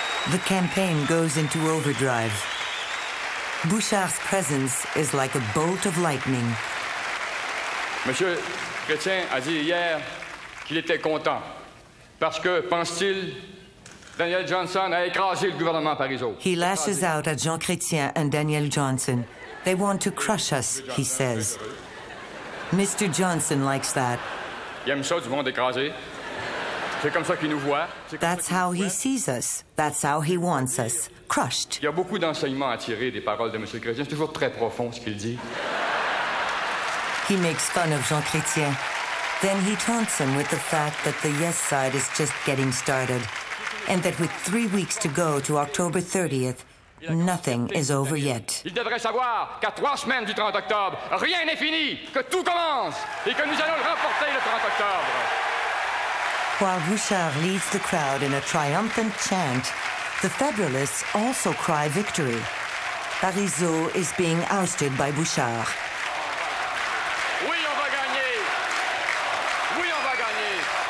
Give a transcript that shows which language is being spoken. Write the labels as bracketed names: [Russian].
[English] The campaign goes into overdrive. Bouchard's presence is like a bolt of lightning. [French] Monsieur Chrétien a dit hier qu'il était content parce que, pense-t-il, Daniel Johnson a écrasé le gouvernement Parizeau. [English] He lashes out at Jean Chrétien and Daniel Johnson. They want to crush us, he says. Mr. Johnson likes that. [French] Il aime ça du monde écrasé. C'est comme ça qu'il nous voit. [English] That's how he sees us. That's how he wants us. Crushed. [French] Il y a beaucoup d'enseignements à tirer des paroles de M. Chrétien. C'est toujours très profond, ce qu'il dit. [English] He makes fun of Jean Chrétien. Then he taunts him with the fact that the yes side is just getting started. And that with 3 weeks to go to October 30th, nothing is over yet. [French] Il devrait savoir qu'à 3 semaines du 30 octobre, rien n'est fini, que tout commence, et que nous allons le remporter le 30 octobre. [English] While Bouchard leads the crowd in a triumphant chant, the Federalists also cry victory. Parizeau is being ousted by Bouchard. [French] Oui, on va gagner. Oui, on va gagner.